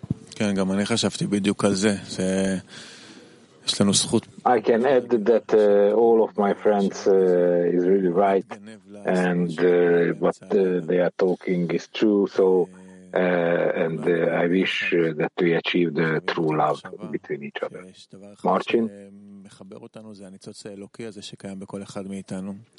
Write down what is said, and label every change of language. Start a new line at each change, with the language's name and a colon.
Hebrew: כן, גם אני חשבתי בדיוק על זה, זה...
English: I can add that all of my friends is really right, and what they are talking is true. So, and I wish that we achieve the true love between each other. Martin.
Hebrew: מחבר אותנו זה הניצוץ האלוקי הזה שקיים בכל אחד מאיתנו.